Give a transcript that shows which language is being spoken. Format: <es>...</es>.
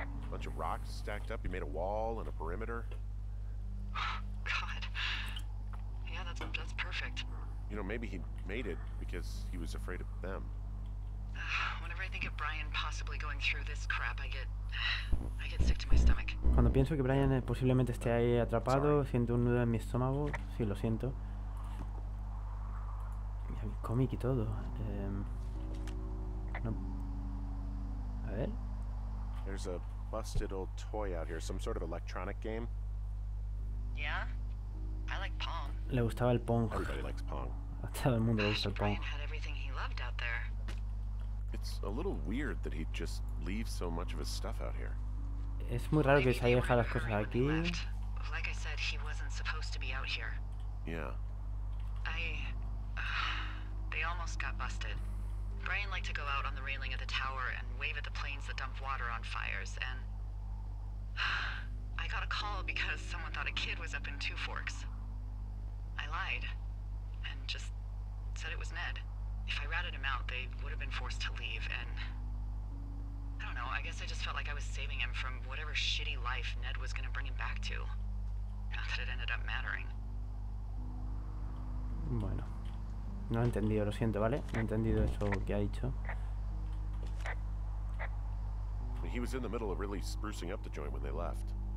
<en>Bunch of rocks stacked up. You made a wall and a perimeter. God. Yeah, that's perfect. You know, maybe he made it because he was afraid of them. Whenever I think of Brian possibly going through this crap, I get sick to my stomach.</en> <es>Cuando pienso que Brian posiblemente esté ahí atrapado, siento un nudo en mi estómago. Sí, lo siento. Y el cómic y todo. No. A ver.</es> <en>There's a busted old toy out here, some sort of electronic game. Yeah. I like Pong.</en> <es>Le gustaba el Pong.</es> <en>Everybody likes Pong.</en> <es>A todo el mundo le gusta el Pong.</es> <en>Brian had everything he loved out there. It's a little weird that he'd just leave so much of his stuff out here.</en> <es>Es muy raro que se haya dejado las cosas aquí.</es> <en>Like I said, he wasn't supposed to be out here. Yeah. They almost got busted. Brian liked to go out on the railing of the tower and wave at the planes that dump water on fires, and I got a call because someone thought a kid was up in Two Forks. I lied and just said it was Ned. If I ratted him out, they would have been forced to leave, and I don't know, I guess I just felt like I was saving him from whatever shitty life Ned was gonna bring him back to. Not that it ended up mattering.</en> <es>Bueno. No he entendido, lo siento, ¿vale? No he entendido eso que ha dicho.</es> <en>He was in the middle of really sprucing up the joint when they left.</en>